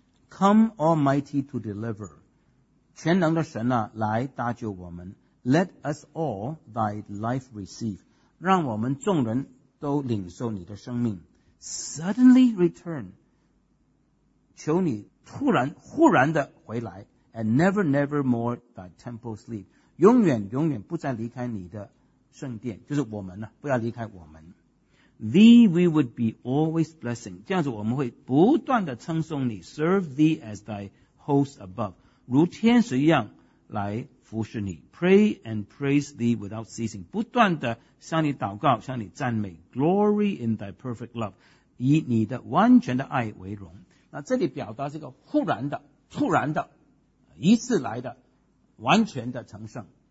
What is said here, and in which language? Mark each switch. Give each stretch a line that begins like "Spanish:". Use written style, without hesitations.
English: Come Almighty to deliver，
Chinese: 全能的神啊来搭救我们，
English: Let us all thy life receive.
Chinese: 让我们众人都领受你的生命。
English: Suddenly return.
Chinese: 求你突然忽然的回来。
English: And never, never more thy temple sleep.
Chinese: 永远永远不再离开你的圣殿，就是我们呢，不要离开我们。
English: Thee we would be always blessing.
Chinese: 这样子我们会不断的称颂你。
English: Serve thee as thy host above.
Chinese: 如天使一样来服侍你。
English: Pray and praise thee without ceasing.
Chinese: 不断的向你祷告，向你赞美。
English: Glory in thy perfect love.
Chinese: 以你的完全的爱为荣。那这里表达是一个忽然的、突然的、一次来的、完全的称颂。